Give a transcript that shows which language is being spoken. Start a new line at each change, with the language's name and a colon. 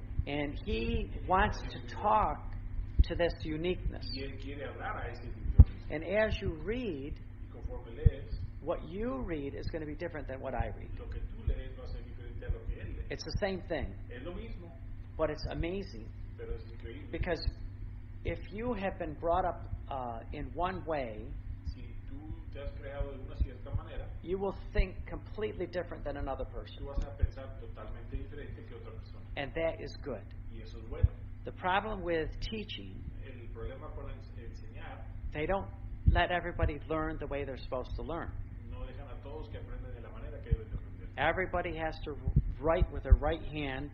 English: and He wants to talk to this uniqueness.
Spanish: Y él quiere hablar a ese tipo.
English: And as you read,
Spanish: y conforme lees,
English: what you read is going to be different than what I read.
Spanish: Lo que tú lees va a ser diferente a lo que él lee.
English: It's the same thing.
Spanish: Es lo mismo.
English: But it's amazing.
Spanish: Pero es increíble.
English: Because if you have been brought up in one way,
Spanish: si tú te has creado de una cierta manera,
English: you will think completely different than another person.
Spanish: Tú vas a pensar totalmente diferente que otra persona.
English: And that is good.
Spanish: Y eso es bueno.
English: The problem with teaching,
Spanish: el problema con enseñar,
English: they don't let everybody learn the way they're supposed to learn.
Spanish: No dejan a todos que aprendan de la manera que deben de aprender.
English: Everybody has to write with their right hand.